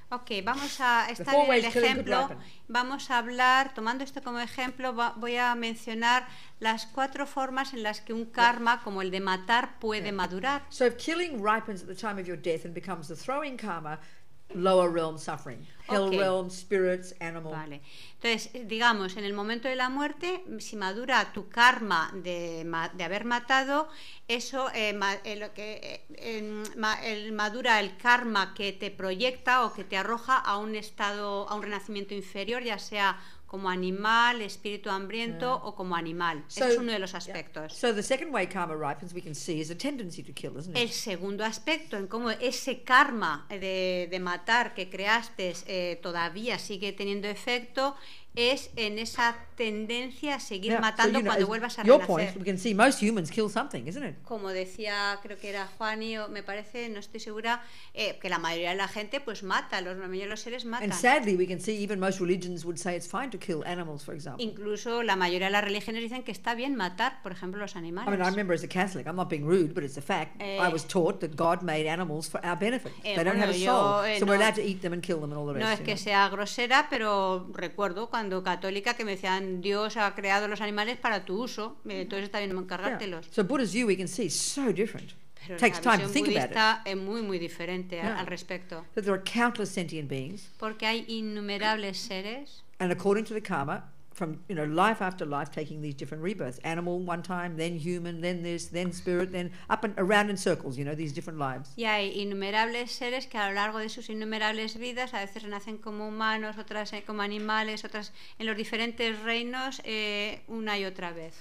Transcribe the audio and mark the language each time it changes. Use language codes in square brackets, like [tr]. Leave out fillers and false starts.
[es] Okay, vamos a estar en el ejemplo, vamos a hablar, tomando esto como ejemplo, voy a mencionar las cuatro formas en las que un karma, como el de matar, puede madurar. [en] So if killing ripens at the time of your death and becomes the throwing karma, lower realm suffering, hell okay. realm, spirits, animal. [es] Vale. Entonces, digamos, en el momento de la muerte, si madura tu karma de haber matado, eso madura el karma que te proyecta o que te arroja a un estado, a un renacimiento inferior, ya sea como animal, espíritu hambriento o como animal. [en] So, [es] es uno de los aspectos. [en] So the second way karma ripens, we can see, is a tendency to kill, isn't it? [es] El segundo aspecto en cómo ese karma de matar que creaste todavía sigue teniendo efecto es en esa tendencia a seguir matando [en] so, you know, [es] cuando vuelvas a renacer. [en] Your point, we can see most humans kill something, isn't it? [es] Como decía, creo que era Juani, me parece, no estoy segura, que la mayoría de la gente pues mata, los mayores seres matan. [en] And sadly, we can see even most religions would say it's fine to kill animals, for example. [es] Incluso la mayoría de las religiones dicen que está bien matar, por ejemplo, los animales. [en] I mean, I remember as a Catholic, I'm not being rude, but it's a fact. I was taught that God made animals for our benefit. They don't have a soul, so we're allowed to eat them and kill them and all the rest. [es] No es que sea grosera, pero recuerdo cuando católica que me decían Dios ha creado los animales para tu uso, entonces está bien encargártelos. [en] So Buddha's view we can see is so different. [es] Pero [en] takes [es] la visión [en] time to think [es] budista [en] about it. [es] Es muy muy diferente al respecto. [en] That there are countless sentient beings. [es] Porque hay innumerables seres. [en] And according to the karma, from, you know, life after life, taking these different rebirths. Animal one time, then human, then this, then spirit, then up and around in circles, you know, these different lives. [es] Y hay innumerables seres que a lo largo de sus innumerables vidas, a veces renacen como humanos, otras como animales, otras en los diferentes reinos, una y otra vez.